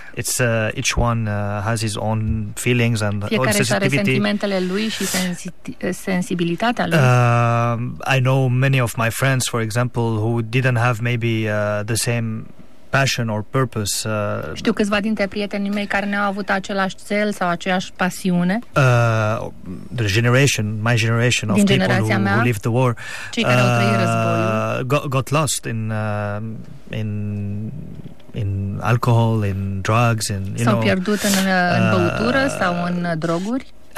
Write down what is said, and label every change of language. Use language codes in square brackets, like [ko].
[en] It's each one has his own feelings and [ro] fiecare [en] own sensitivity. [ro] Are sentimentele lui și sensibilitatea lui. [en] I know many of my friends, for example, who didn't have maybe the same passion or purpose. [ro] Știu câțiva dintre prietenii mei care nu au avut același țel sau aceeași pasiune. [en] The generation, my generation of [ro] din [en] people who lived the war, [ro] cei care au trăit războiul, [en] got lost in alcohol, in drugs, in you [ro] s-au pierdut în băutură sau în droguri.